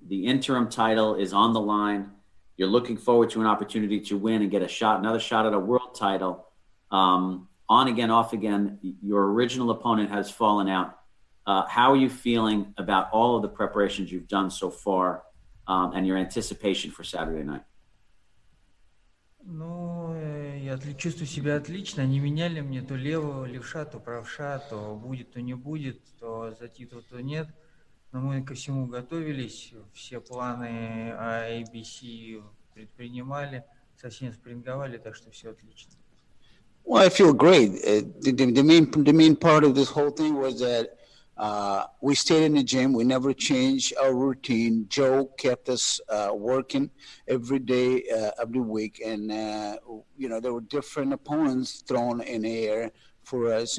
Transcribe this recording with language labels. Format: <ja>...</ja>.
<en>The interim title is on the line. You're looking forward to an opportunity to win and get a shot, another shot at a world title. On again, off again, your original opponent has fallen out. How are you feeling about all of the preparations you've done so far and your anticipation for Saturday night?</en> <ru>Ну, я чувствую себя отлично. Они меняли мне то левую левша, то правша, то будет, то не будет, то за титул, то нет. Но мы ко всему готовились. Все планы ABC предпринимали, совсем спринговали, так что все отлично.</ru> <en>Well, I feel great. The main part of this whole thing was that we stayed in the gym. We never changed our routine. Joe kept us working every day of the week. And, you know, there were different opponents thrown in the air for us.</en>